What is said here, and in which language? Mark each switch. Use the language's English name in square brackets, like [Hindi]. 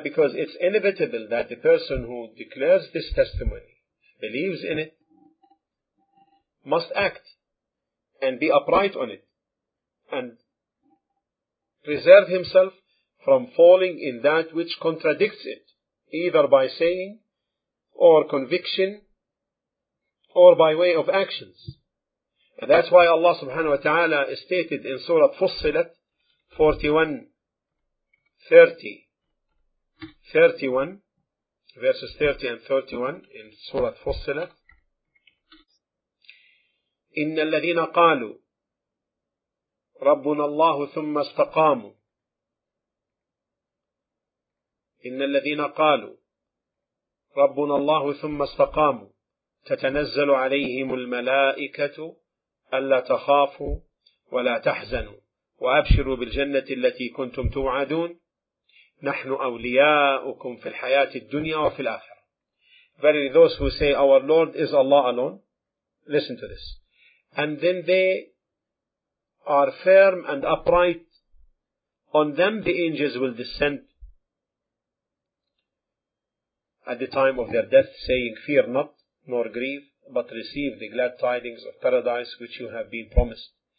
[English] Because it's inevitable that the person who declares this testimony, believes in it, must act and be upright on it and preserve himself from falling in that which contradicts it, either by saying or conviction or by way of actions. And that's why Allah subhanahu wa ta'ala stated in Surah Fussilat 31 verses 30 and 31 in Surah Fussilat, [Arabic] إِنَّ الَّذِينَ قَالُوا رَبُّنَا اللَّهُ ثُمَّ اسْتَقَامُوا إن الذين قالوا ربنا الله ثم استقاموا تتنزل عليهم الملائكة ألا تخافوا ولا تحزنوا وأبشروا بالجنة التي كنتم توعدون نحن أولياؤكم في الحياة الدنيا وفي الآخرة. [English] Verily those who say our Lord is Allah alone, listen to this, and then they are firm and upright, on them the angels will descend at the time of their death, saying, fear not, nor grieve, but receive the glad tidings of paradise which you have been promised.